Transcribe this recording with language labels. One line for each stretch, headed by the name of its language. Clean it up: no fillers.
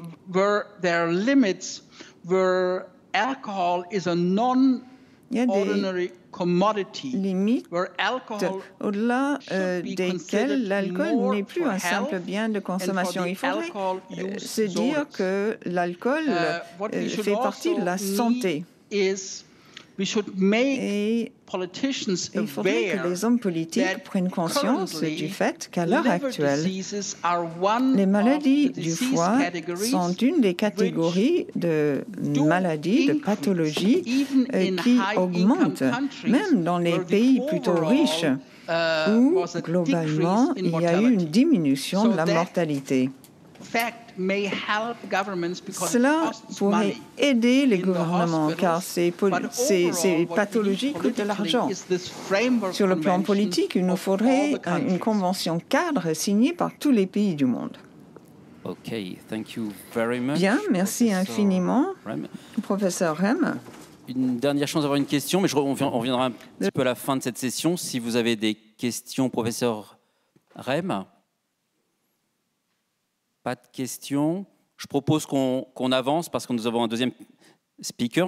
English: Where there are limits where alcohol is a non
French: Il y a des limites au-delà desquelles l'alcool n'est plus un simple bien de consommation. Il faudrait se dire que l'alcool fait partie de la santé.
English: We should make politicians aware
French: il faudrait que les hommes politiques prennent conscience du fait qu'à l'heure actuelle, les maladies du foie sont une des catégories de maladies, de pathologies qui augmentent, même dans les pays plutôt riches, où globalement il y a eu une diminution de la mortalité. Cela pourrait aider les gouvernements car ces pathologies coûtent de l'argent. Sur le plan politique, il nous faudrait une convention cadre signée par tous les pays du monde.
English: Okay, thank you very much,
French: bien, merci infiniment, professeur Rehm. Une dernière chance d'avoir une question, mais on reviendra un petit peu à la fin de cette session. Si vous avez des questions, professeur Rehm. Pas de questions. Je propose qu'on avance parce que nous avons un deuxième speaker.